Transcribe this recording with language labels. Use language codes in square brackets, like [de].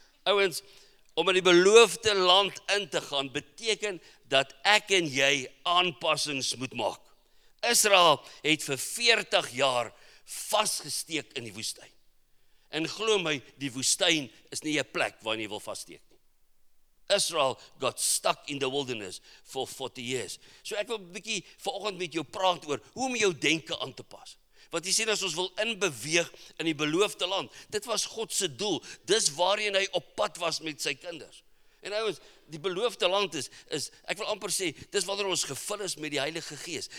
[af] Ouens, om in die beloofde land in te gaan, beteken dat ek en jy aanpassings moet maak. Israel het vir 40 jaar vasgesteek in die woestyn. En glo my, die woestyn is nie 'n plek waar jy wil vassteek nie. [en] Israel got stuck in the wilderness for 40 years. [af] So ek wil 'n bietjie vanoggend met jou praat oor hoe om jou denke aan te pas. Wat jy sien as ons wil inbeweeg in die beloofde land. Dit was God se doel. Dis waarheen hy op pad was met sy kinders. En ouens, die beloofde land is ek wil amper sê, dis wanneer ons gevul is met die Heilige Gees.